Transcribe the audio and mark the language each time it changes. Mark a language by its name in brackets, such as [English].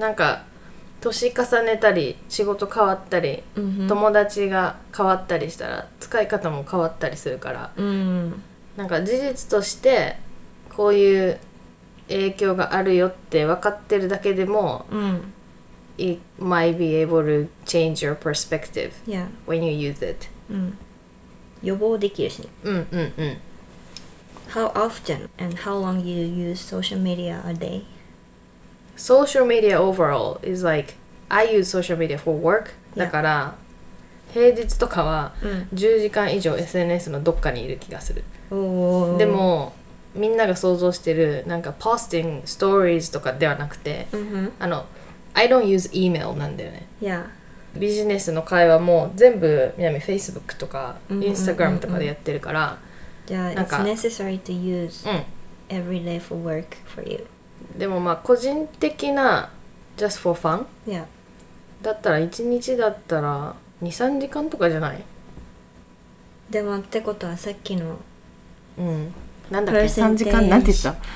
[Japanese] なんか年重ねたり仕事変わったり、うん、友達が変わったりしたら使い方も変わったりするから、うん、なんか事実としてこういう影響があるよって分かってるだけでも、うん、 [English] It might be able to change your perspective、 yeah. when you use it、 [Japanese] うん、予防できるし、ね、うんうんうん。 [English] How often and how long you use social media a day? Social media overall is like, I use social media for work. [Japanese] だから、平日とかは10時間以上 SNS のどっかにいる気がする。でも、みんなが想像してるなんか [English] posting stories [Japanese] とかではなくて、あの、 [English] I don't use email [Japanese] なんだよね。ビジネスの会話も全部、みなみ Facebook とか Instagram とかでやってるから、 [English] Yeah, it's necessary to use every day for work for you. [Japanese] でもまあ個人的な [English] just for fun? Yeah. [Japanese] だったら1日だったら 2-3 時間とかじゃない？でもってことはさっきの、うん、なんだっけ3時間なんて言った？